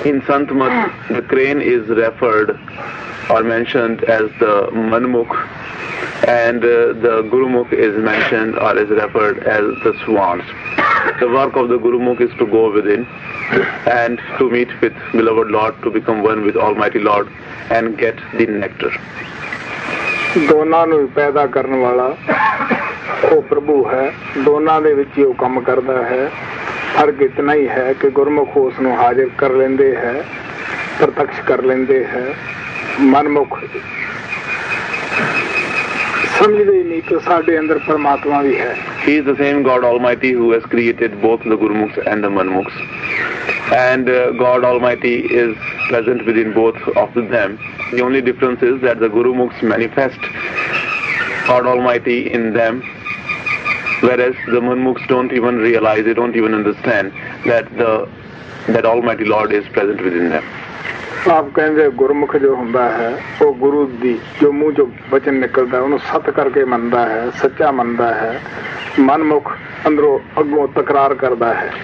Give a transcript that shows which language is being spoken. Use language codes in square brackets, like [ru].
[en] In Sant Mat the crane is referred or mentioned as the Manmukh, and the Gurumukh is mentioned or is referred as the swans. The work of the Gurumukh is to go within and to meet with beloved Lord, to become one with Almighty Lord and get the nectar. [pa] ਦੋਨਾਂ ਨੂੰ ਪੈਦਾ ਕਰਨ ਵਾਲਾ ਉਹ ਪ੍ਰਭੂ ਹੈ ਦੋਨਾਂ ਦੇ ਵਿੱਚ ਹੀ ਉਹ ਕੰਮ ਕਰਦਾ ਹੈ ਫਰਕ ਇਤਨਾ ਹੀ ਹੈ ਕਿ ਗੁਰਮੁਖ ਉਸ ਨੂੰ ਹਾਜ਼ਰ ਕਰ ਲੈਂਦੇ ਹੈ ਪ੍ਰਤੱਖ ਕਰ ਲੈਂਦੇ ਹੈ ਮਨਮੁਖ ਸਮਝਦੇ ਹੀ ਨਹੀਂ ਕਿ ਸਾਡੇ ਅੰਦਰ ਪਰਮਾਤਮਾ ਵੀ ਹੈ [en] He is the same God Almighty who has created both the Gurmukhs and the Manmukhs. And God Almighty is present within both of them. The only difference is that the Gurmukhs manifest God Almighty in them, whereas the Manmukhs don't even realize, they don't even understand that that Almighty Lord is present within them. [hi] आप कहेंगे गुरुमुख जो होता है वो गुरु दी जो मुंह जो वचन निकलता है उन्होंने सत करके मनता है सच्चा मनता है मनमुख अंदरो अगो तकरार करता है